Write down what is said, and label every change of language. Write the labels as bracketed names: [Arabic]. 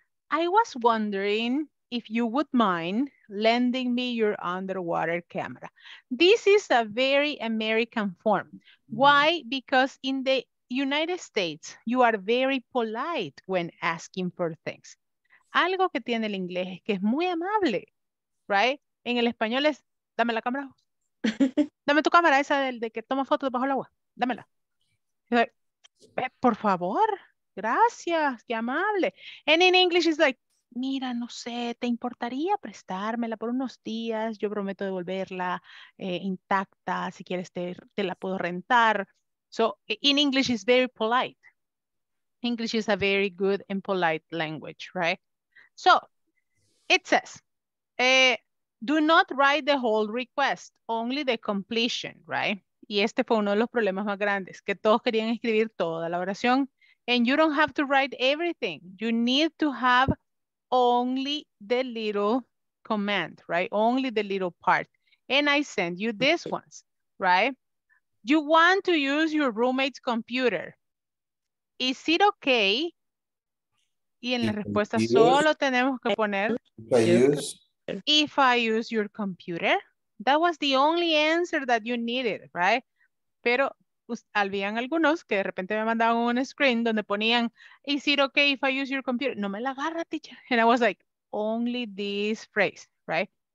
[English] I was wondering if you would mind lending me your underwater camera. This is a very American form. Why? Because in the United States, you are very polite when asking for things. [Spanish] Algo que tiene el inglés es que es muy amable, right? En el español es, dame la cámara. Dame tu cámara, esa de que toma fotos bajo el agua. Dámela. Like, por favor, gracias, qué amable. And in English, it's like, mira, no sé, ¿te importaría prestármela por unos días? Yo prometo devolverla intacta. Si quieres, te la puedo rentar. [English] So in English is very polite. English is a very good and polite language, right? So it says, do not write the whole request, only the completion, right? [Spanish] Y este fue uno de los problemas más grandes, que todos querían escribir toda la oración. [English] And you don't have to write everything. You need to have only the little command, right? Only the little part. And I send you these ones, right? You want to use your roommate's computer. Is it okay? [Spanish] Y en la respuesta solo tenemos que poner [English] if I use your computer. That was the only answer that you needed, right? Pero pues, habían algunos que de repente me mandaban un screen donde ponían, is it okay if I use your computer? No me la agarra, teacher. And I was like, only this phrase, right?